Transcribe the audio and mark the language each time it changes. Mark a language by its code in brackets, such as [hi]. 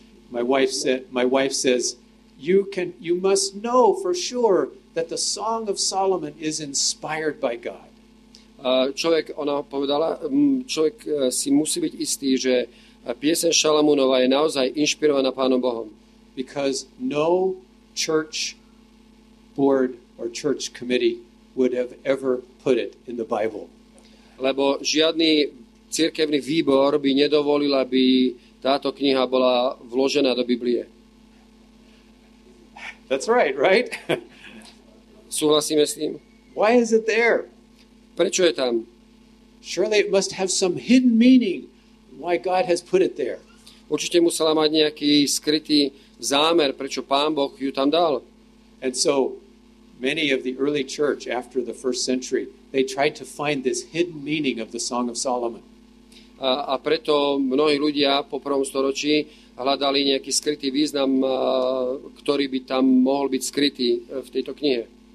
[en] My wife says, you must know for sure that the Song of Solomon is inspired by God. [sk] Človek, ona povedala, človek si musí byť istý, že pieseň Šalamúnova je naozaj inšpirovaná Pánom Bohom. [en] Because no church board or church committee would have ever put it in the Bible. [sk] Lebo žiadny cirkevný výbor by nedovolil, aby táto kniha bola vložená do Biblie. [en] That's right, right? [sk] Súhlasíme s tým? [en] Why is it there? [sk] Prečo je tam? [en] Surely it must have some hidden meaning why God has put it there. [sk] Určite musela mať nejaký skrytý zámer, prečo Pán Boh ju tam dal. [en] And so many of the early church after the first century, they tried to find this hidden meaning of the Song of Solomon. [sk] A preto mnohí ľudia po prvom storočí hľadali nejaký skrytý význam, ktorý by tam mohol byť skrytý v tejto knihe.